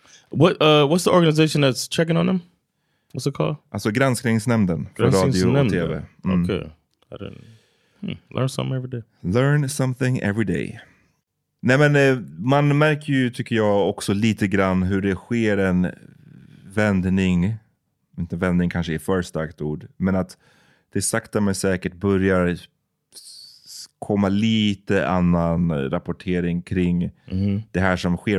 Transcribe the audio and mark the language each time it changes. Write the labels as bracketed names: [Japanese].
[English] What's the organization that's checking on them? What's it called? [Swedish] Alltså granskningsnämnden för granskningsnämnden. Radio och TV. [English] Okay. Learn something every day. Learn something every day. [Swedish] Nej, men man märker ju, tycker jag, också lite grann hur det sker en vändning. Inte vändning kanske är för starkt ord. Men att det sakta men säkert börjar komma lite annan rapportering kring det här som sker.